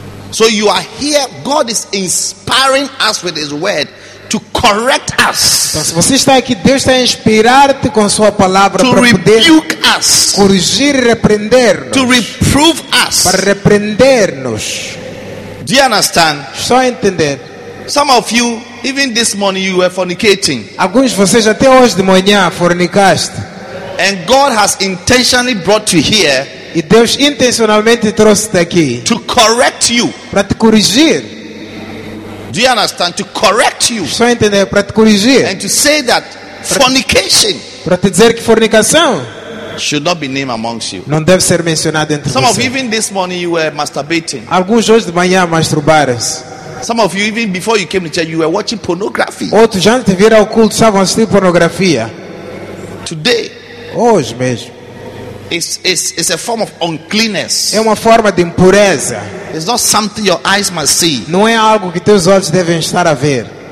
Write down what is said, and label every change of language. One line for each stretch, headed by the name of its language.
English: So you are here, God is inspiring us with his word to correct us.
Portuguese: Então, se você está aqui, Deus está a inspirar-te com sua palavra
English: to
Portuguese: para poder
English: rebuke us,
Portuguese: corrigir e repreender,
English: to reprove us.
Portuguese: Para repreender-nos.
English: Do you understand?
Portuguese: Só entender.
English: Some of you even this morning you were fornicating.
Portuguese: Alguns de vocês até hoje de manhã fornicaste.
English: And God has intentionally brought you here.
Portuguese: E Deus intencionalmente trouxe-te aqui.
English: To correct you.
Portuguese: Para te corrigir.
English: Do you understand? To correct you.
Portuguese: Só entender, para te corrigir.
English: And to say that fornication.
Portuguese: Para te dizer que fornicação.
English: Should not be named amongst you.
Portuguese: Não deve ser mencionado entre
English: some
Portuguese: você.
English: Some of even this morning you were masturbating.
Portuguese: Alguns hoje de manhã masturbaram-se.
English: Some of you even before you came to church you were watching pornography.
Portuguese: Outros já antes de vir ao culto estavam assistindo pornografia.
English: Today.
Portuguese: Hoje mesmo.
English: It's a form of uncleanness.
Portuguese: É uma forma de impureza.
English: It's not something your eyes must see.
Portuguese: Não é algo que teus olhos devem estar a ver.